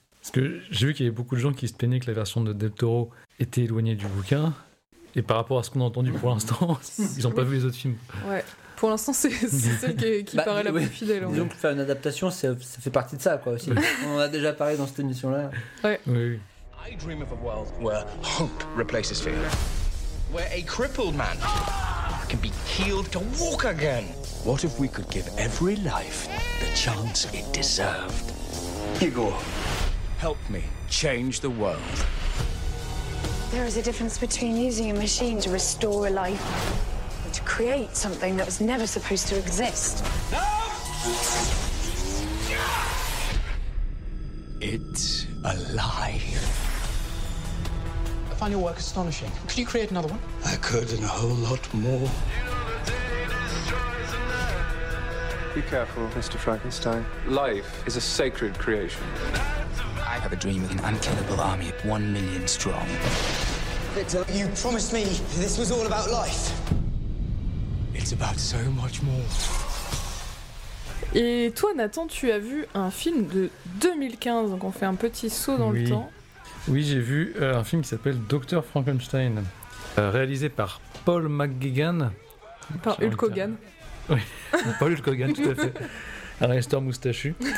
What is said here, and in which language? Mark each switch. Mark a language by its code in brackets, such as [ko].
[fr] Parce que j'ai vu qu'il y avait beaucoup de gens qui se plaignaient que la version de Del Toro était éloignée du bouquin. Et par rapport à ce qu'on a entendu pour l'instant, ils n'ont pas vu les autres films. Ouais. Pour l'instant, c'est celle qui paraît la plus fidèle. Disons que faire une adaptation, ça fait partie de ça, quoi, aussi. On a déjà parlé dans cette émission-là. Ouais. [en] Oui. I dream of a world where hope replaces fear. Where a crippled man can be healed to walk again. What if we could give every life the chance it deserved? Igor, help me change the world. There is a difference between using a machine to restore a life and to create something that was never supposed to exist. No! It's alive. I find your work astonishing. Could you create another one? I could and a whole lot more. Be careful, Mr. Frankenstein. Life is a sacred creation. I have a dream of an unkillable army of 1 million strong. Victor, you promised me this was all about life. It's about so much more. [fr] Et toi, Nathan, tu as vu un film de 2015, donc on fait un petit saut dans le temps. Oui, j'ai vu un film qui s'appelle Dr. Frankenstein, réalisé par Paul McGuigan. Par Hulk Hogan. Oui, Paul Hulk Hogan, tout à fait. Un réalisateur moustachu.